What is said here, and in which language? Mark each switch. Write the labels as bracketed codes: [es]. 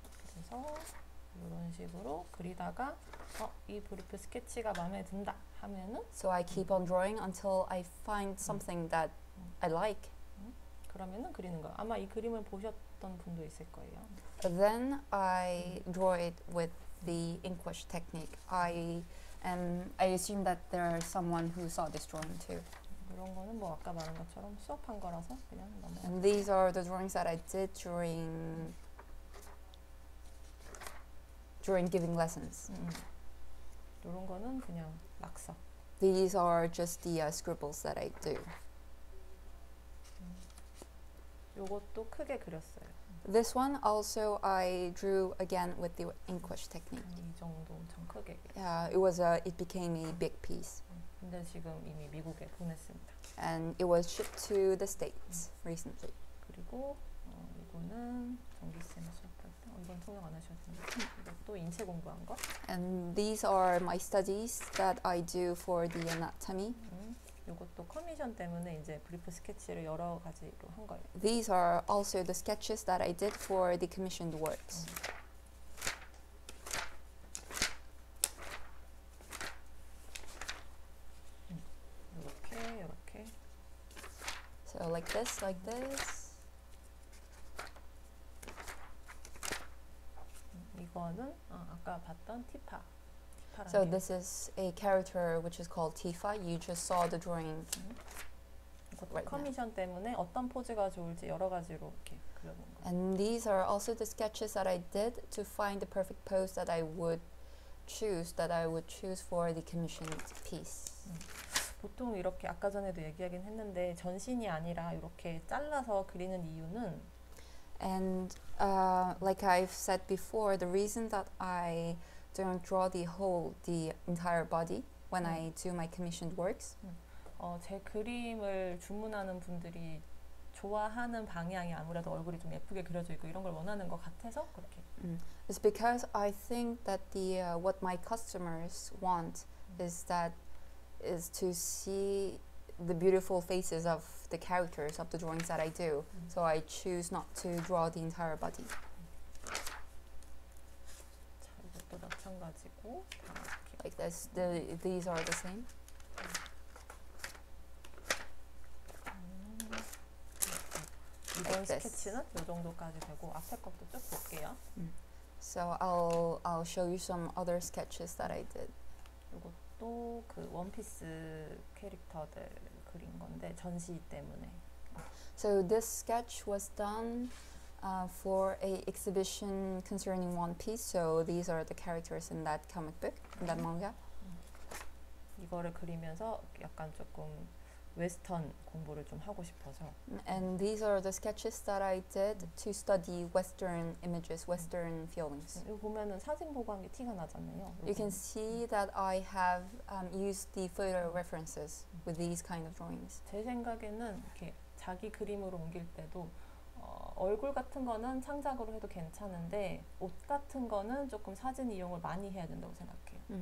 [ko] 그래서 이런 식으로 그리다가 이 브리프 스케치가 마음에 든다 하면은. [en] So I keep on drawing until I find something that I like. [ko] 그러면은 그리는 거. 아마 이 그림을 보셨던 분도 있을 거예요. [en] Then I draw it with the inkwash technique. I assume that there are someone who saw this drawing too. [ko] 그런 거는 뭐 아까 말한 것처럼 수업한 거라서 그냥 넘어. [en] And these are the drawings that I did during giving lessons. [ko] 이런 거는 그냥 낙서. [en] These are just the scribbles that I do. [ko] 요것도 크게 그렸어요. [en] This one also I drew again with the inkwash technique. [ko] 이 정도 엄청 크게. [en] Yeah, it was a it became a big piece. [ko] 근데 지금 이미 미국에 보냈습니다. [en] And it was shipped to the States recently. [ko] 그리고 이거는 정기 쌤 수업할 때 이건 통역 안 하셨는데 이것도 인체 공부한 거. [en] And these are my studies that I do for the anatomy. [ko] 이것도 커미션 때문에 이제 브리프 스케치를 여러 가지로 한 거예요. [en] These are also the sketches that I did for the commissioned works. [ko] 이렇게 이렇게. [en] So like this. [ko] 이거는 아까 봤던 티파. [en] So this is a character which is called Tifa. You just saw the drawing. right 커미션 now. [ko] 때문에 어떤 포즈가 좋을지 여러 가지로 이렇게 그려본 거예요. [en] And these are also the sketches that I did to find the perfect pose that I would choose, that I would choose for the commissioned piece. [ko] 보통 이렇게 아까 전에도 얘기하긴 했는데 전신이 아니라 이렇게 잘라서 그리는 이유는 [en] And like I've said before, the reason that I don't draw the whole, the entire body when I do my commissioned works. [ko] 제 그림을 주문하는 분들이 좋아하는 방향이 아무래도 얼굴이 좀 예쁘게 그려져 있고 이런 걸 원하는 것 같아서 그렇게. [en] It's because I think that the what my customers want is that is to see the beautiful faces of the characters of the drawings that I do. So I choose not to draw the entire body. [ko] 자, 이것도 마찬가지고 다 이렇게. [en] Like this, the, these are the same. [ko] 이번 [en] like [ko] 스케치는 [en] this. [ko] 이 정도까지 되고 앞에 것도 쭉 볼게요. [en] So I'll show you some other sketches that I did. [ko] 이것도 그 원피스 캐릭터들 그린 건데 전시 때문에. [en] So this sketch was done for a exhibition concerning One Piece. So these are the characters in that comic book, in that manga. [ko] 이거를 그리면서 약간 조금 웨스턴 공부를 좀 하고 싶어서. [en] And these are the sketches that I did to study Western images, Western feelings. [ko] 이거 보면은 사진 보고 한 게 티가 나잖아요. [en] You can see that I have used the photo references with these kind of drawings. [ko] 제 생각에는 이렇게 자기 그림으로 옮길 때도 얼굴 같은 거는 창작으로 해도 괜찮은데 옷 같은 거는 조금 사진 이용을 많이 해야 된다고 생각해요.